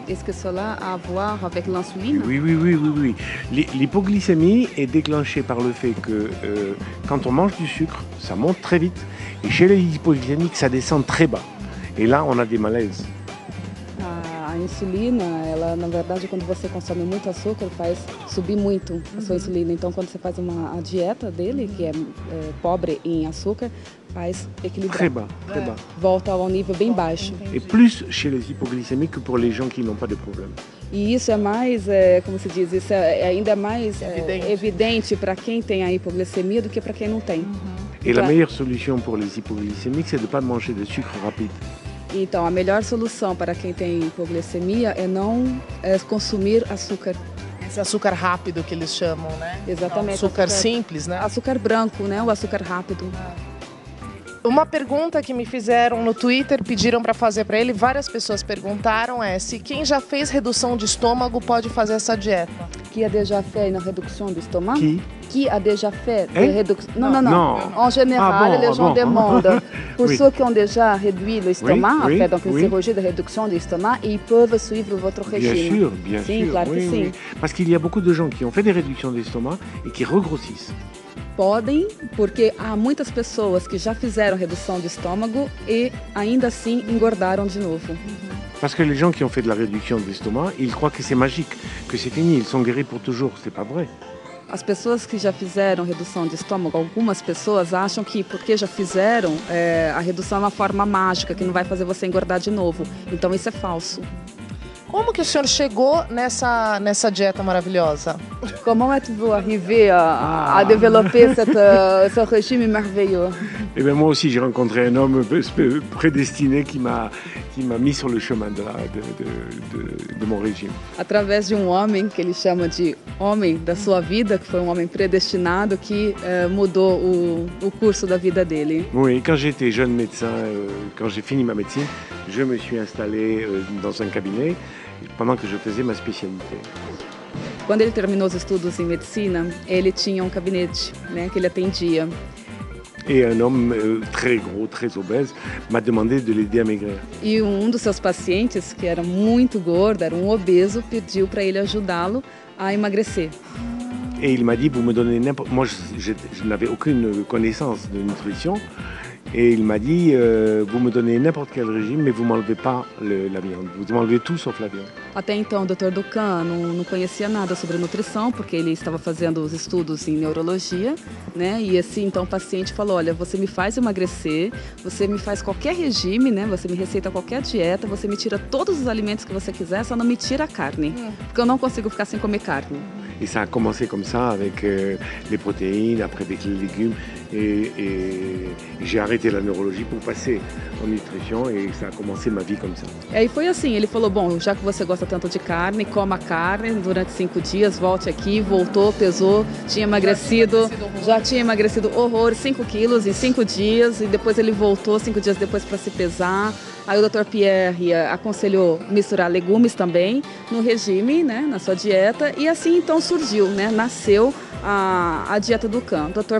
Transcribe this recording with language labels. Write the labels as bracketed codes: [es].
[fr] Est-ce que cela a voir avec l'insuline? Oui, oui, oui, oui, oui. L'hypoglycémie est déclenchée par le fait que quand on mange du sucre, ça monte très vite. Et chez les hypoglycémiques, ça descend très bas. Et là, on a des malaises. [pt] A insulina, ela, na verdade, quando você consome muito açúcar, faz subir muito a sua insulina. Então, quando você faz a dieta dele, que é pobre em açúcar, faz equilibrar. [fr] Très bas, très bas. [pt] Volta ao nível bem baixo. [fr] E plus chez les hypoglycémiques que pour les gens qui n'ont pas de problème. [pt] E isso é mais, como se diz, isso é ainda mais evidente para quem tem a hipoglicemia do que para quem não tem. E a melhor solução para [fr] les hypoglycémiques [pt] é [fr] de pas manger de sucre [pt] rápido. Então, a melhor solução para quem tem hipoglicemia é não consumir açúcar. Esse açúcar rápido que eles chamam, né? Exatamente. Não, açúcar simples, né? Açúcar branco, né? O açúcar rápido. Uma pergunta que me fizeram no Twitter, pediram para fazer para ele, várias pessoas perguntaram, é se quem já fez redução de estômago pode fazer essa dieta. [fr] Qui a déjà fait une réduction du stomac? Qui a déjà fait une réduction? Non, non, non. Non. En général, les gens demandent. Pour ceux qui ont déjà réduit le stomac, oui, fait donc une chirurgie de réduction du stomac, ils peuvent suivre votre régime. Bien sûr, bien sûr. [pt] Claro que sim. [fr] Parce qu'il y a beaucoup de gens qui ont fait des réductions d'estomac et qui regrossissent. [pt] podem, porque há muitas pessoas que já fizeram redução de estômago e ainda assim engordaram de novo. [fr] Parce que les gens qui ont fait de la réduction de l'estomac, ils croient que c'est magique, que c'est fini, ils sont guéris pour toujours, c'est pas vrai. [pt] As pessoas que já fizeram redução de estômago, algumas pessoas acham que porque já fizeram, a redução é uma forma mágica, que não vai fazer você engordar de novo. Então isso é falso. Como que o senhor chegou nessa dieta maravilhosa? Como é que você arrivou a desenvolver esse regime maravilhoso? [fr] Eh bien, moi aussi, j'ai rencontré un homme prédestiné qui m'a mis sur le chemin de mon régime. [pt] Através de um homem que ele chama de homem da sua vida, que foi um homem predestinado que mudou o curso da vida dele. [fr] Oui, quand j'étais jeune médecin, quand j'ai fini ma médecine, je me suis installé dans un cabinet pendant que je faisais ma spécialité. [pt] Quando ele terminou os estudos em medicina, ele tinha um gabinete, né, que ele atendia. [fr] Et un homme très gros, très obèse, m'a demandé de l'aider à maigrir. [pt] E um dos seus pacientes, que era muito gordo, era um obeso, pediu para ele ajudá-lo a emagrecer. [fr] Et il m'a dit, vous me donnez n'importe... Moi, je n'avais aucune connaissance de nutrition. Et il m'a dit, vous me donnez n'importe quel régime, mais vous ne m'enlevez pas la viande. Vous m'enlevez tout sauf la viande. [pt] Até então, o Dr. Ducan não conhecia nada sobre nutrição, porque ele estava fazendo os estudos em neurologia, né? E assim, então, o paciente falou, olha, você me faz emagrecer, você me faz qualquer regime, né? Você me receita qualquer dieta, você me tira todos os alimentos que você quiser, só não me tira a carne, porque eu não consigo ficar sem comer carne. [fr] E ça a commencé comme ça, avec les protéines, après avec les légumes. Et j'ai arrêté la neurologie pour passer en nutrition et ça a commencé ma vie comme ça. [pt] E foi assim, ele falou, bom, já que você gosta tanto de carne, coma carne durante 5 dias, volte aqui, voltou, pesou, tinha emagrecido, já tinha emagrecido horror, 5 quilos em 5 dias e depois ele voltou 5 dias depois para se pesar. Aí o Dr. Pierre aconselhou misturar legumes também no regime, né, na sua dieta, e assim então surgiu, né, nasceu a dieta do Ducan. Dr.